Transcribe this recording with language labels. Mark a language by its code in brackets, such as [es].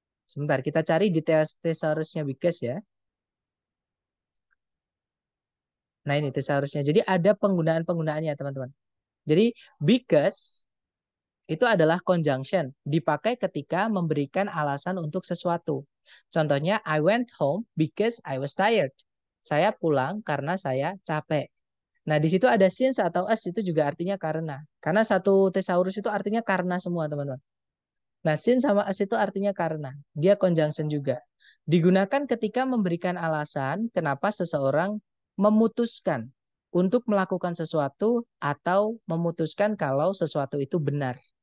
[id] Sebentar, kita cari di thesaurusnya because ya. Nah, ini seharusnya. Jadi ada penggunaan-penggunaannya, teman-teman. Jadi because itu adalah conjunction, dipakai ketika memberikan alasan untuk sesuatu. [en] Contohnya I went home because I was tired. [id] Saya pulang karena saya capek. Nah, di situ ada since atau as, itu juga artinya karena. Karena satu thesaurus itu artinya karena semua, teman-teman. Nah, since sama as itu artinya karena. Dia conjunction juga. Digunakan ketika memberikan alasan kenapa seseorang memutuskan untuk melakukan sesuatu atau memutuskan kalau sesuatu itu benar.